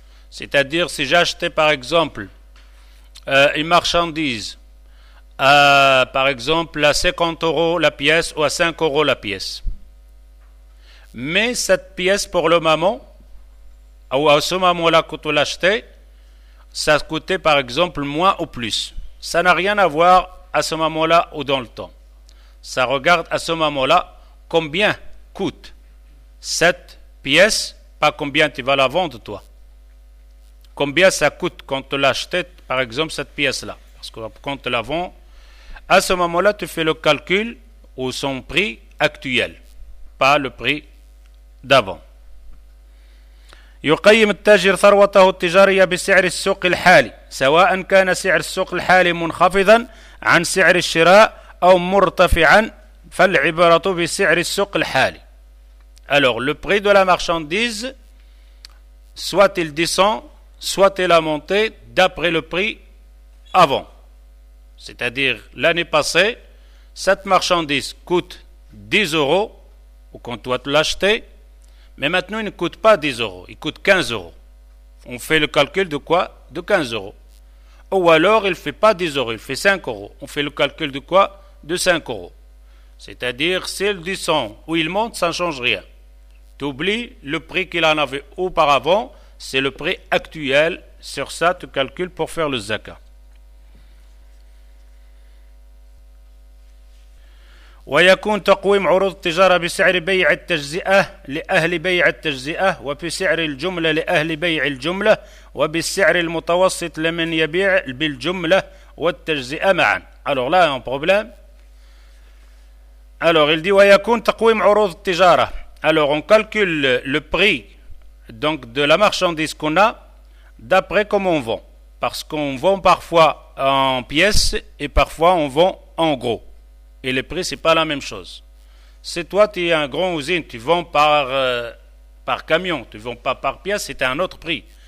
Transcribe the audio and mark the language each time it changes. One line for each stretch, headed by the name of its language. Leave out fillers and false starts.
French: C'est-à-dire, si j'ai acheté, par exemple, une marchandise, par exemple à 50 euros la pièce ou à 5 euros la pièce, mais cette pièce pour le moment ou à ce moment là quand on l'achetait, ça coûtait par exemple moins ou plus, ça n'a rien à voir à ce moment là ou dans le temps, ça regarde à ce moment là combien coûte cette pièce, pas combien tu vas la vendre toi, combien ça coûte quand tu l'achetais par exemple cette pièce là, parce que quand tu la vends, à ce moment-là, tu fais le calcul ou son prix actuel, pas le prix d'avant.
Arabic: يقيم التاجر ثروته التجارية بسعر السوق الحالي, سواء كان سعر السوق الحالي منخفضا عن سعر الشراء أو مرتفعا, فالعبرة بسعر السوق الحالي.
French: Alors, le prix de la marchandise, soit il descend, soit il a monté d'après le prix avant. C'est-à-dire, l'année passée, cette marchandise coûte 10 euros, ou qu'on doit l'acheter, mais maintenant il ne coûte pas 10 euros, il coûte 15 euros. On fait le calcul de quoi ? De 15 euros. Ou alors il ne fait pas 10 euros, il fait 5 euros. On fait le calcul de quoi ? De 5 euros. C'est-à-dire, s'il descend ou il monte, ça ne change rien. Tu oublies le prix qu'il en avait auparavant, c'est le prix actuel. Sur ça, tu calcules pour faire le zakat.
Arabic: ويكون تقويم عروض التجارة بسعر بيع التجزئة لأهل بيع التجزئة وبسعر الجملة لأهل بيع الجملة وبالسعر المتوسط لمن يبيع بالجملة والتجزئة معا.
French: Alors là, un problème. Alors, il dit,
Arabic: ويكون تقويم عروض التجارة.
French: Alors, on calcule le prix donc de la marchandise qu'on a d'après comment on vend. Parce qu'on vend parfois en pièces et parfois on vend en gros. Et le prix, ce n'est pas la même chose. Si toi, tu es un grand usine, tu vends par camion, tu ne vends pas par pièce, c'est un autre prix.